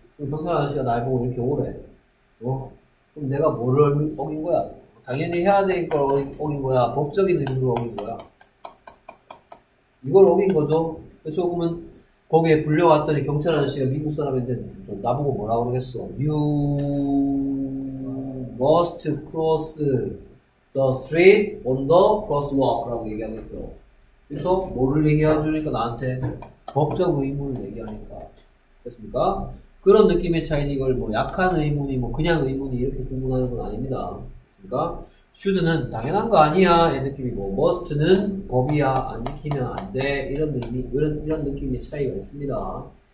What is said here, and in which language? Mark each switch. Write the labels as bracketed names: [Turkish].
[Korean] 그럼 경찰 아저씨가 날 보고 이렇게 오래. 어? 그럼 내가 뭐를 어긴 거야? 당연히 해야 될 걸 어긴 거야. 법적인 의무를 어긴 거야. 이걸 어긴 거죠. 그렇죠? 그러면 거기에 불려왔더니 경찰 아저씨가 미국 사람인데 나보고 뭐라고 그러겠어? [English] You must cross the street on the crosswalk [Korean] 라고 얘기하겠죠. 그래서 뭐를 얘기해주니까 나한테 법적 의무를 얘기하니까 됐습니까? 그런 느낌의 차이지 이걸 뭐 약한 의무니 뭐 그냥 의무니 이렇게 구분하는 건 아닙니다. 됐습니까? should는 당연한 거 아니야 이 느낌이고 must는 법이야 안 지키면 안 돼 이런 느낌이 이런 느낌의 차이가 있습니다.